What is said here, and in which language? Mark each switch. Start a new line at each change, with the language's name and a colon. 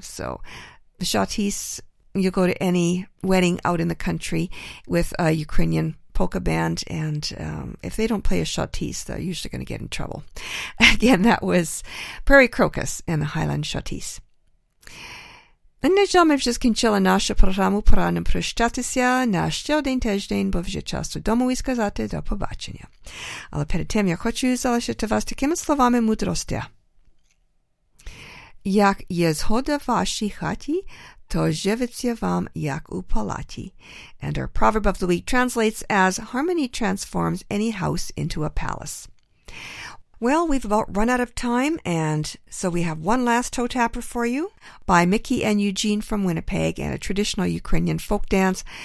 English: So the chatice, you go to any wedding out in the country with a Ukrainian polka band, and if they don't play a chatice, they're usually going to get in trouble. Again, that was Prairie Crocus and the Highland Chatice.
Ukrainian: Нежом вже скінчила нашу програму, пора нам прощатися на ще один тиждень, бо вже час додому і сказати до побачення. Але перед тим я хочу залишити вас такими словами мудрості. Як є згода в вашій хаті, то живеться вам як у палаті.
English: And our proverb of the week translates as, harmony transforms any house into a palace. Well, we've about run out of time, and so we have one last toe tapper for you by Mickey and Eugene from Winnipeg, and a traditional Ukrainian folk dance.